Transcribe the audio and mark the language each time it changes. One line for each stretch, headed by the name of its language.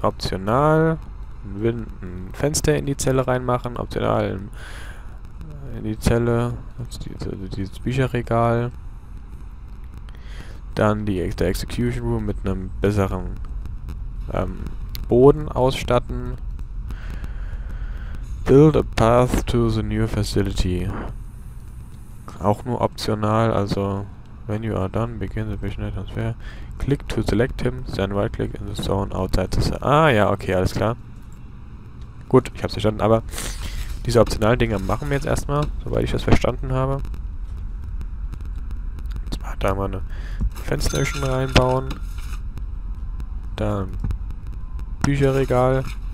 German: Optional ein Fenster in die Zelle reinmachen. Optional in die Zelle. Dieses Bücherregal. Dann der Execution Room mit einem besseren Boden ausstatten.
English: Build a path to the new facility.
German: Auch nur optional, also
English: When you are done, begin the missionary transfer. Click to select him, then right click in the zone outside the cell.
German: Ah ja, okay, alles klar. Gut, ich hab's verstanden, aber diese optionalen Dinge machen wir jetzt erstmal, soweit ich das verstanden habe. Jetzt mal da mal eine Fensterchen reinbauen. Dann Bücherregal.